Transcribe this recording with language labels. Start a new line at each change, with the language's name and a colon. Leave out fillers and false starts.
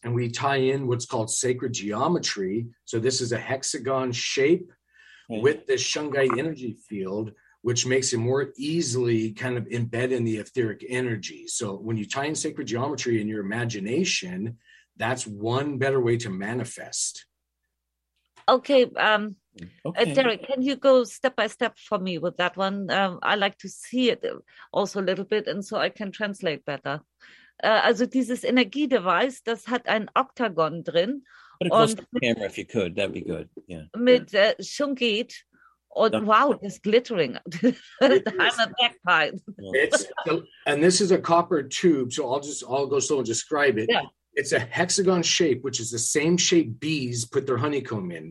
English: And we tie in what's called sacred geometry. So this is a hexagon shape with the shungite energy field, which makes it more easily kind of embed in the etheric energy. So when you tie in sacred geometry in your imagination, that's one better way to manifest. Okay. Derek, can you go step by step for me with that one? I like to see it also a little bit, and so I can translate better.
German: Also dieses Energiedevice, das hat ein Oktagon drin.
English: Put it close to the camera if you could, that'd be good. Yeah.
German: Mit Shungite, und wow,
English: it's glittering. I'm a magpie. And this is a copper tube, so I'll go slow and describe it. Yeah. It's a hexagon shape, which is the same shape bees put their honeycomb in.